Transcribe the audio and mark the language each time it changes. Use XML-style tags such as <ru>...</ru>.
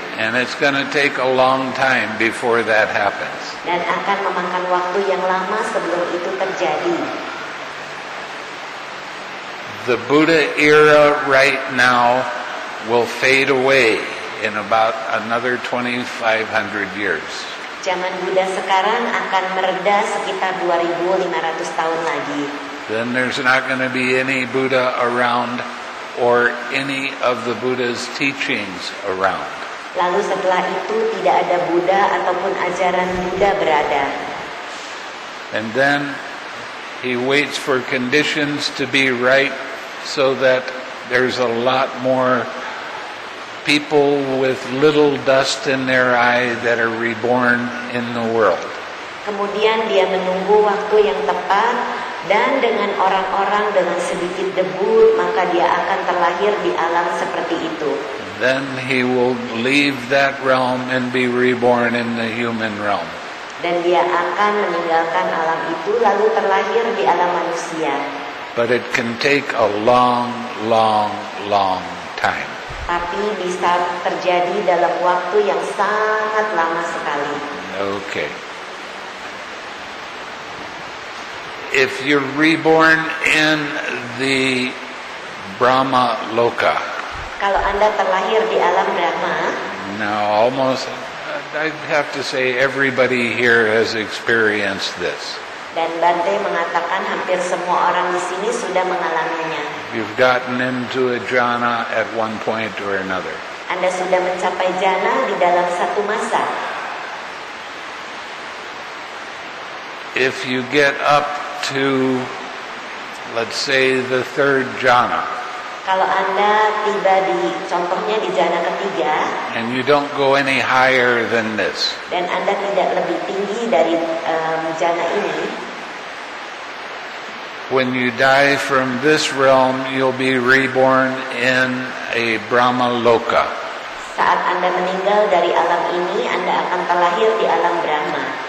<en>And it's going to take a long time before that happens.</en> <id>Dan akan memakan waktu yang lama sebelum itu terjadi.</id> <en>The Buddha era right now will fade away in about another 2500 years.</en> <id>Zaman Buddha sekarang akan mereda sekitar 2500 tahun lagi.</id> <en>Then there's not going to be any Buddha around or any of the Buddha's teachings around.</en> <id>Lalu setelah itu tidak ada Buddha ataupun ajaran Buddha berada.</id> <en>And then he waits for conditions to be right so that there's a lot more people with little dust in their eye that are reborn in the world.</en> <id>Kemudian dia menunggu waktu yang tepat dan dengan orang-orang dengan sedikit debu, maka dia akan terlahir di alam seperti itu.</id> <en>Then he will leave that realm and be reborn in the human realm.</en> <id>Dan dia akan meninggalkan alam itu lalu terlahir di alam manusia.</id> <en>But it can take a long, long, long time.</en> <id>Tapi bisa terjadi dalam waktu yang sangat lama sekali.</id> <en>Okay. If you're reborn in the Brahma Loka.</en> <id>Kalau Anda terlahir di alam Brahma.</id> <en>Now almost, I have to say everybody here has experienced this.</en> <id>Dan Bante mengatakan hampir semua orang di sini sudah mengalaminya.</id> <en>You've gotten into a jhana at one point or another.</en> <id>Anda sudah mencapai jhana di dalam satu masa.</id> <en>If you get up to, let's say, the third jhana.</en> <id>Kalau Anda tiba di, contohnya di jhana ketiga.</id> <en>And you don't go any higher than this.</en> <id>Dan Anda tidak lebih tinggi dari jhana ini.</id> <en>When you die from this realm, you'll be reborn in a Brahma Loka.</en> <id>Saat Anda meninggal dari alam ini, Anda akan terlahir di alam Brahma.</id>